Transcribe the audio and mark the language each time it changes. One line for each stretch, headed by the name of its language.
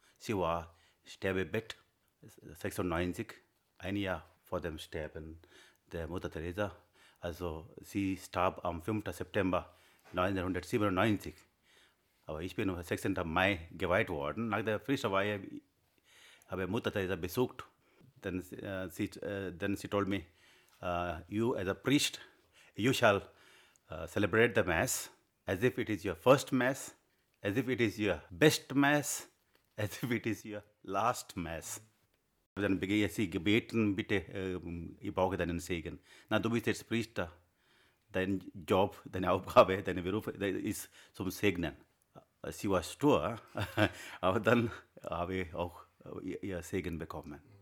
German: Sie war Sterbebett, 96, ein Jahr vor dem Sterben der Mutter Teresa. Also sie starb am 5. September 1997. Aber ich bin am 16. Mai geweiht worden. Nach der Priesterweihe habe ich Mutter Teresa besucht. Dann sie
English: told me, you as a priest, you shall celebrate the Mass as if it is your first Mass, as if it is your best Mass, as if it is your last Mass.
German: Dann begehe sie gebeten, bitte, ich brauche deinen Segen. Na, du bist jetzt Priest, dein Job, deine Aufgabe, dein Beruf ist zum Segnen. Sie war stur, aber dann habe ich auch ihr Segen bekommen.